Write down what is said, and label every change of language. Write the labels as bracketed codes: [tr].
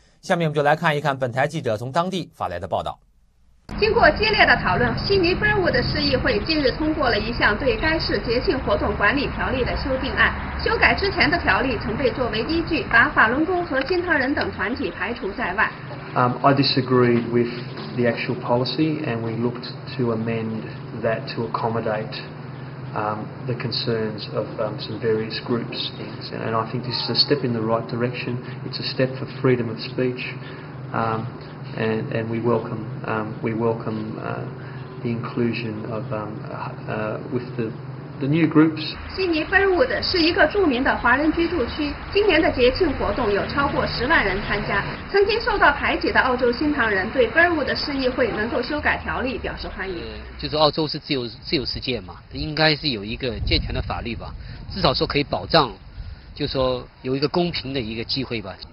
[zh] 下面我们就来看一看本台记者从当地发来的报道。经过激烈的讨论，悉尼博伍德市议会近日通过了一项对该市节庆活动管理条例的修订案。修改之前的条例曾被作为依据，把法轮功和新唐人等团体排除在外。 [en] I disagree with the actual policy, and we looked to amend that to accommodate the concerns of some various groups, and I think this is a step in the right direction. It's a step for freedom of speech, and we welcome the inclusion of with the new groups. [zh] 悉尼贝尔伍德是一个著名的华人居住区，今年的节庆活动有超过10万人参加。曾经受到排挤的澳洲新唐人对贝尔伍德市议会能够修改条例表示欢迎。就是澳洲是自由世界嘛，应该是有一个健全的法律吧，至少说可以保障，就是说有一个公平的一个机会吧。